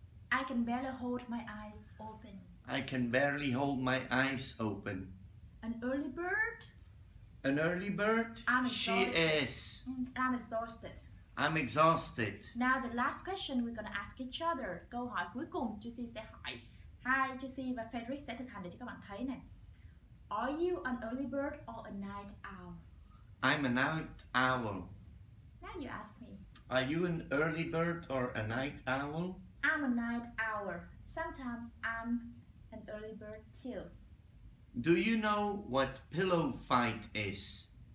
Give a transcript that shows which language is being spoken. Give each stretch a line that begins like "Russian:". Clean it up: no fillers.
English: I can barely hold my eyes open. I can barely hold my eyes open. An early bird. An early bird. I'm exhausted. She is. I'm exhausted. I'm exhausted. Now the last question we're gonna ask each other.
Vietnamese: Câu hỏi cuối cùng, Jessie sẽ hỏi. Hi, Jessie và Frederick sẽ thực hành để cho các bạn thấy nè.
English: Are you an early bird or a night owl? I'm a night owl. Now you ask me. Are you an early bird or a night owl? I'm a night owl. Sometimes I'm an early bird too. Do you know what pillow fight is?